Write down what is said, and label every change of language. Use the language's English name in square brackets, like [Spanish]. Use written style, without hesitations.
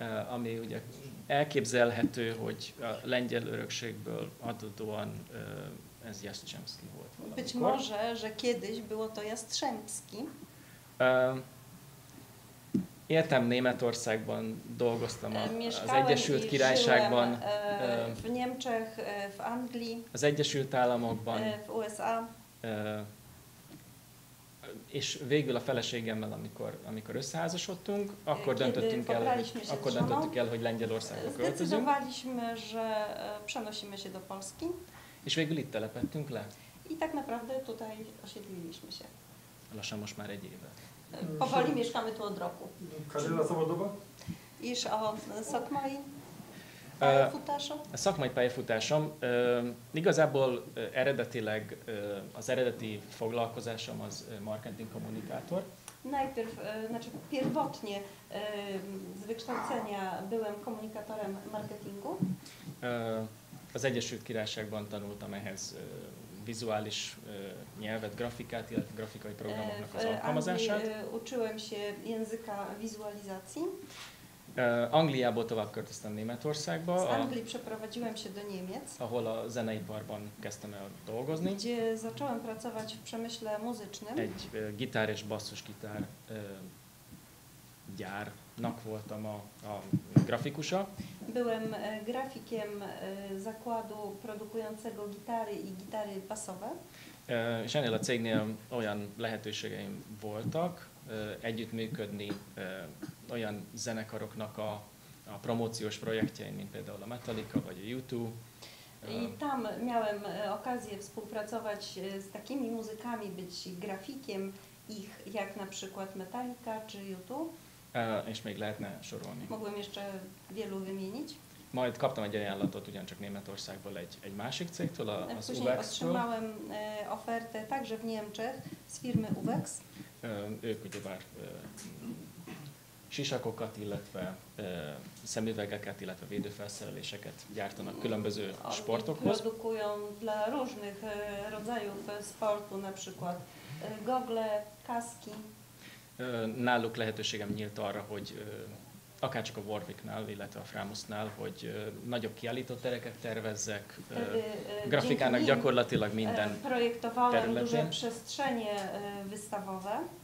[Hungarian] Ami ugye elképzelhető, hogy a lengyel örökségből adódóan ez Jastrzębski volt valamikor. [Polish] Być może, że kiedyś było to Jastrzębski. [Hungarian] Éltem Németországban, dolgoztam az Egyesült Királyságban. [Polish] V Niemczech, v Anglii. [Hungarian] Az Egyesült Államokban. [Polish] V USA. [Hungarian] És végül a feleségemmel, amikor összeházasodtunk, akkor döntöttük el, hogy Lengyelországba költözünk. [Polish] Zdecydowaliśmy, że przenosimy się do Polski. [Hungarian] És végül itt telepettünk le. [Polish] I tak naprawdę tutaj osiedliliśmy się. [Hungarian] Lassan most már egy éve. [Polish] Powoli mieszkamy tu od roku. Kariera zawodowa? [Hungarian] És a szakmai pályafutásom? A szakmai pályafutásom. Igazából eredetileg az eredeti foglalkozásom az marketing kommunikátor. [Polish] Najpierw, znaczy pierwotnie z wykształcenia byłem kommunikatorem marketingu. [Hungarian] Az Egyesült Királyságban tanultam ehhez vizuális nyelvet, grafikát, illetve grafikai programoknak az alkalmazását. [Polish] Uczyłem się języka wizualizacji. [Hungarian] Angliából tovább költöztem Németországba. [Polish] Z Anglii przeprowadziłem się do Niemiec. [Hungarian] Ahol a zeneiparban kezdtem el dolgozni. [Polish] Gdzie zacząłem pracować w przemyśle muzycznym. [Hungarian] Egy gitár és basszusgitár gyárnak voltam a grafikusa. [Polish] Byłem grafikiem zakładu produkującego gitary i gitary basowe. [Hungarian] És ennél a cégnél olyan lehetőségeim voltak együttműködni olyan zenekaroknak a promóciós projektjein, mint például a Metallica vagy a U2. [Polish] I tam miałem okazję współpracować z takimi muzykami, być grafikiem ich, jak na przykład Metallica czy U2. [Hungarian] És még lehetne sorolni. [Polish] Mogłem jeszcze wielu wymienić. [Hungarian] Majd kaptam egy ajánlatot ugyancsak Németországból egy másik cégtől, az UVEX-től. [Polish] Później otrzymałem ofertę także w Niemczech z firmy UVEX. [Hungarian] Ők ugyebár sisakokat, illetve szemüvegeket, illetve védőfelszereléseket gyártanak különböző sportokhoz. [Polish] Produkują dla różnych rodzajów sportu, na przykład gogle, kaski. [Hungarian] Náluk lehetőségem nyílt arra, hogy akár csak a Warwicknál, illetve a Framusnál, hogy nagyobb kiállított tereket tervezzek, grafikának gyakorlatilag minden [Polish] projektowałem [Hungarian] területén. [Polish] Duże przestrzenie wystawowe.